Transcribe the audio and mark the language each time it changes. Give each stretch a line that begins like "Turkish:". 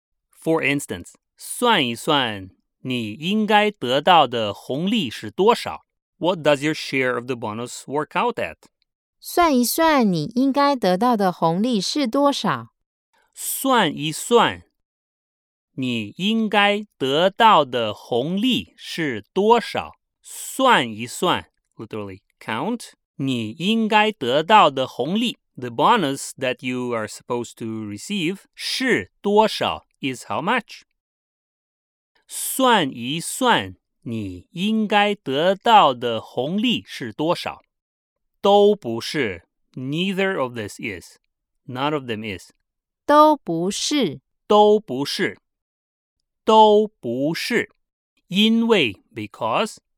English: For instance,
Chinese: 算一算你应该得到的红利是多少。
English: What does your share of the bonus work out at?
Chinese: 算一算你应该得到的红利是多少。算一算你应该得到的红利是多少。算一算
English: literally count,
Chinese: 你应该得到的红利
English: the bonus that you are supposed to receive,
Chinese: 是多少
English: is how much?
Chinese: 算一算你应该得到的红利是多少。都不是
English: neither of this is, none of them is.
Chinese: 都不是都不是都不是因为 because